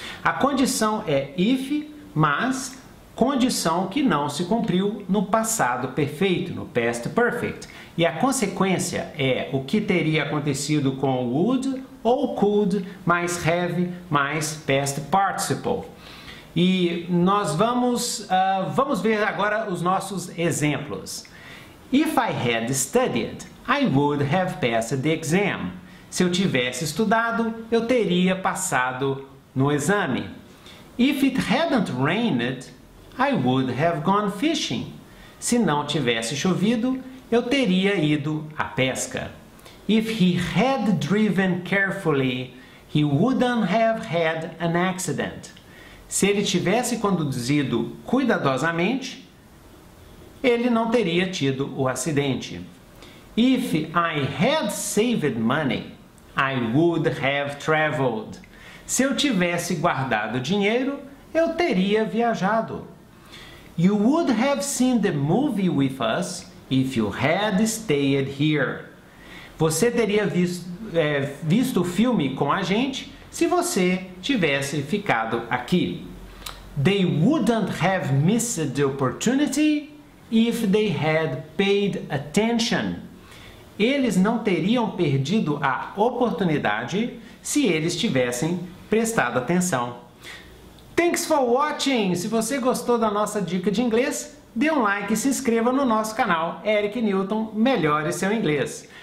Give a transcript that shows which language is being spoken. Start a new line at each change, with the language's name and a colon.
Portuguese: A condição é if, mas, condição que não se cumpriu no passado perfeito, no past perfect. E a consequência é o que teria acontecido com would ou could mais have mais past participle. E nós vamos ver agora os nossos exemplos.
English: If I had studied, I would have passed the exam.
Portuguese: Se eu tivesse estudado, eu teria passado no exame.
English: If it hadn't rained, I would have gone fishing.
Portuguese: Se não tivesse chovido, eu teria ido à pesca.
English: If he had driven carefully, he wouldn't have had an accident.
Portuguese: Se ele tivesse conduzido cuidadosamente, ele não teria tido o acidente.
English: If I had saved money, I would have traveled.
Portuguese: Se eu tivesse guardado dinheiro, eu teria viajado.
English: You would have seen the movie with us if you had stayed here.
Portuguese: Você teria visto o filme com a gente se você tivesse ficado aqui.
English: They wouldn't have missed the opportunity if they had paid attention.
Portuguese: Eles não teriam perdido a oportunidade se eles tivessem prestado atenção.
English: Thanks for watching!
Portuguese: Se você gostou da nossa dica de inglês, dê um like e se inscreva no nosso canal Eric Newton, Melhore Seu Inglês.